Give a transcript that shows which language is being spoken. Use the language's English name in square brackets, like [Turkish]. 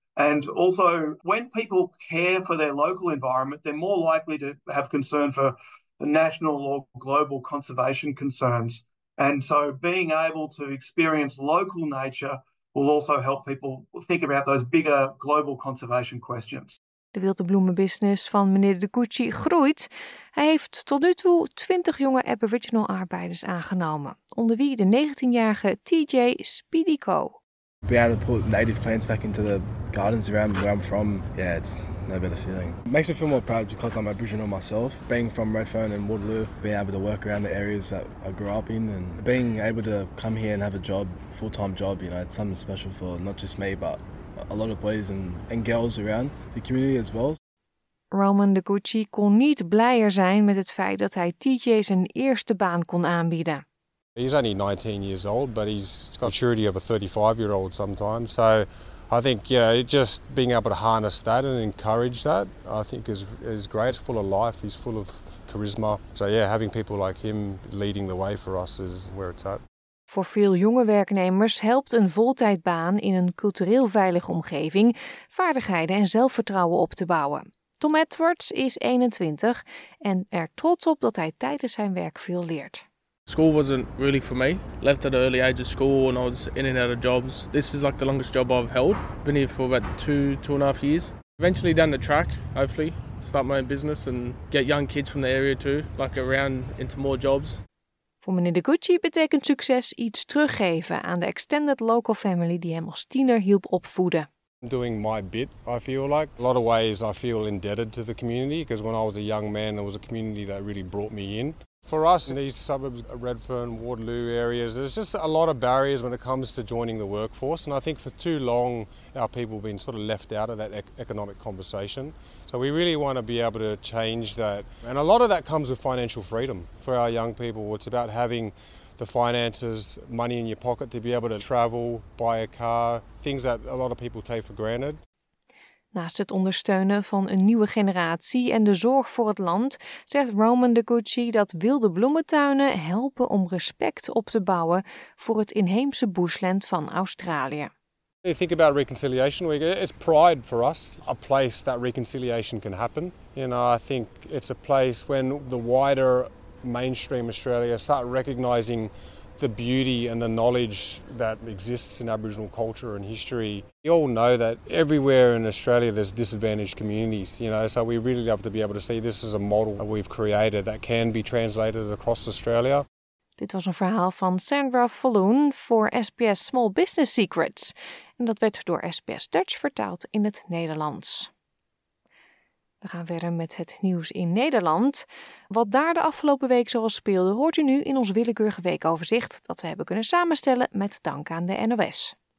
[English] And also, when people care for their local environment, they're more likely to have concern for the national or global conservation concerns. And so being able to experience local nature will also help people think about those bigger global conservation questions. [Dutch] De wilde bloemenbusiness van meneer De Cucci groeit. Hij heeft tot nu toe 20 jonge Aboriginal arbeiders aangenomen, onder wie de 19-jarige TJ Spidico. [English] Be able to put native plants back into the gardens around where I'm from, yeah, it's no better feeling. It makes me feel more proud because I'm Aboriginal myself. Being from Redfern and Waterloo, being able to work around the areas that I grew up in and being able to come here and have a job, full-time job, you know, it's something special for not just me, but a lot of boys and girls around the community as well. [Dutch] Roman De Cucci kon niet blijer zijn met het feit dat hij TJ zijn eerste baan kon aanbieden. [English] He's only 19 years old, but he's got maturity of a 35-year-old sometimes. So I think, you know, just being able to harness that and encourage that, I think is great. He's full of life. He's full of charisma. So yeah, having people like him leading the way for us is where it's at. [Dutch] Voor veel jonge werknemers helpt een voltijdbaan in een cultureel veilige omgeving vaardigheden en zelfvertrouwen op te bouwen. Tom Edwards is 21 en er trots op dat hij tijdens zijn werk veel leert. [English] School wasn't really for me. Left at an early age of school and I was in and out of jobs. This is like the longest job I've held. Been here for about 2.5 years. Eventually down the track, hopefully, start my own business and get young kids from the area too, like around into more jobs. [Dutch] Voor meneer De Cucci betekent succes iets teruggeven aan de [English] extended local family [Dutch] die hem als tiener hielp opvoeden. [English] Doing my bit, I feel like. A lot of ways I feel indebted to the community because when I was a young man, there was a community that really brought me in. For us in these suburbs, Redfern, Waterloo areas, there's just a lot of barriers when it comes to joining the workforce. And I think for too long, our people have been sort of left out of that economic conversation. So we really want to be able to change that. And a lot of that comes with financial freedom for our young people. It's about having the finances, money in your pocket to be able to travel, buy a car, things that a lot of people take for granted. [Dutch] Naast het ondersteunen van een nieuwe generatie en de zorg voor het land, zegt Roman De Cucci dat wilde bloementuinen helpen om respect op te bouwen voor het inheemse bushland van Australië. [English] You think about reconciliation week, it's pride for us, a place that reconciliation can happen. You know, I think it's a place when the wider mainstream Australia start recognizing the beauty and the knowledge that exists in Aboriginal culture and history. We all know that everywhere in Australia there's disadvantaged communities, you know, so we really love to be able to see this is a model that we've created that can be translated across Australia. [Dutch] Dit was een verhaal van Sandra Falloon voor SBS Small Business Secrets. En dat werd door SBS Dutch vertaald in het Nederlands. We gaan verder met het nieuws in Nederland. Wat daar de afgelopen week zoals speelde, hoort u nu in ons willekeurige weekoverzicht dat we hebben kunnen samenstellen met dank aan de NOS.